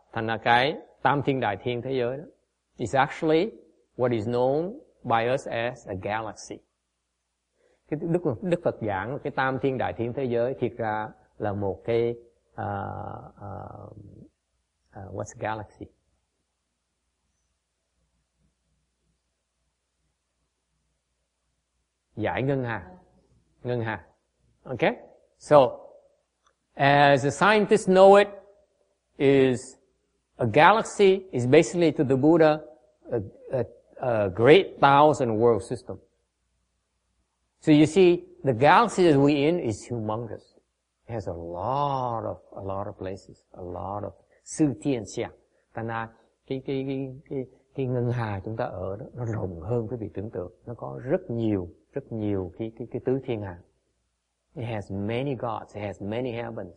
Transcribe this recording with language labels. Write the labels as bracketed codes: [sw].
[vi] Thành ra cái tam thiên đại thiên thế giới đó. [en] It's actually what is known by us as a galaxy. [vi] Đức Phật giảng cái tam thiên đại thiên thế giới thiệt ra là một cái [en] what's a galaxy? [vi] Dải ngân hà. Okay. [en] So as the scientists know it, is a galaxy is basically to the Buddha a great 1,000 world system. So you see, the galaxy that we're in is humongous. It has a lot of places, a lot of sư tiên xia. [vi] Thành ra cái ngân hà chúng ta ở đó nó rộng hơn quý vị tưởng tượng. Nó có rất nhiều cái tứ thiên hà. [en] It has many gods, it has many heavens.